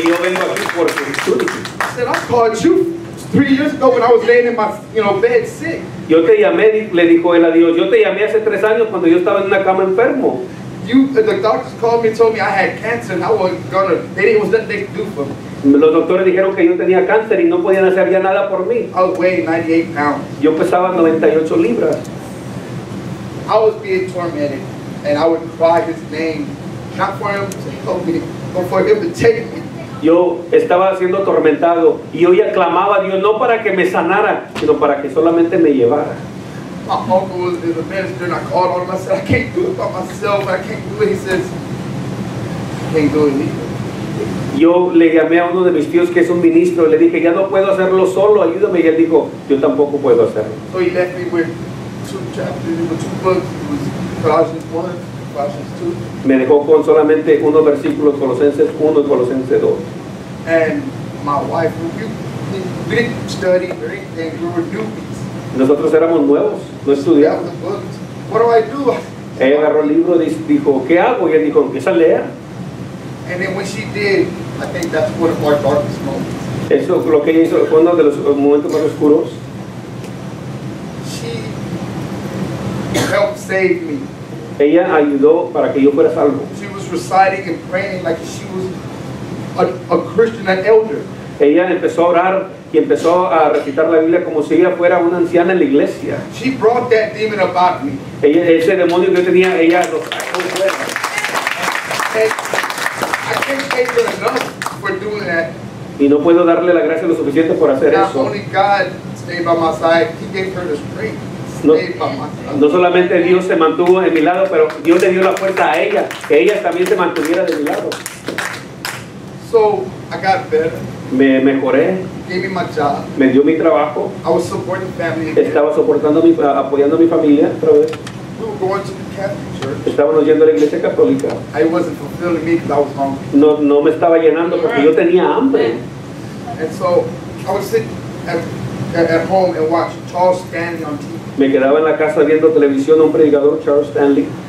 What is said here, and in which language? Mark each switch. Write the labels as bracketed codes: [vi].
[es] Dijo, y yo vengo aquí porque tú dijiste. [en] I called you 3 years ago when I was laying in my, you know, bed sick. [es] Yo te llamé, le dijo él a Dios. Yo te llamé hace 3 años cuando yo estaba en una cama enfermo. [en] The doctors called me and told me I had cancer and I was gonna. There was nothing they could do for me. [es] Los doctores dijeron que yo tenía cáncer y no podían hacer ya nada por mí. [en] I was weighing 98 pounds. [es] Yo pesaba 98 libras. [en] I was being tormented and I would cry his name, not for him to help me, but for him to take me. [es] Yo estaba siendo atormentado y yo ya clamaba a Dios no para que me sanara, sino para que solamente me llevara. [en] My uncle was in the ministry and I called on him. I said, I can't do it by myself. I can't do it. He says, I can't do it either. [es] Yo le llamé a uno de mis tíos que es un ministro. Le dije, ya no puedo hacerlo solo. Ayúdame. Y él dijo, yo tampoco puedo hacerlo. [en] So he left me with 2 chapters, with 2 books. It was Colossians 1. [es] Me dejó con solamente unos versículos, Colosenses 1 y Colosenses 2. [en] And my wife, we didn't study anything, we were newbies. [es] Nosotros éramos nuevos, no estudiamos. [en] Yeah, what do I do? [es] Ella agarró el libro y dijo, ¿qué hago? Y él dijo, empieza a leer. [en] And then when she did, I think that's one of our darkest moments. [es] Eso, lo que ella hizo, fue uno de los momentos más oscuros. [en] She helped save me. [es] Ella ayudó para que yo fuera salvo. [en] She was reciting and praying like she was a Christian, an elder. [es] Ella empezó a orar y empezó a recitar la Biblia como si ella fuera una anciana en la iglesia. [en] She brought that demon about me. [es] Ella, ese demonio que yo tenía, ella lo sacó de fuera. [en] I can't thank her enough for doing that. [es] Y no puedo darle la gracia lo suficiente por hacer [en] not [es] eso. [en] Not only God stayed by my side, he gave her the strength. [es] No solamente Dios se mantuvo en mi lado, pero Dios le dio la fuerza a ella, que ella también se mantuviera de mi lado. [en] So I got better. [es] Me mejoré. [en] Gave me my job. [es] Me dio mi trabajo. [en] I was supporting family. [es] Estaba soportando mi, apoyando a mi familia otra vez. [en] We were going to the Catholic church. [es] Estábamos yendo a la iglesia católica. [en] I wasn't fulfilling me because I was hungry. [es] No me estaba llenando porque yo tenía hambre. [en] And so I was sitting at home and watching Charles Stanley on TV. [es] Me quedaba en la casa viendo televisión a un predicador, Charles Stanley.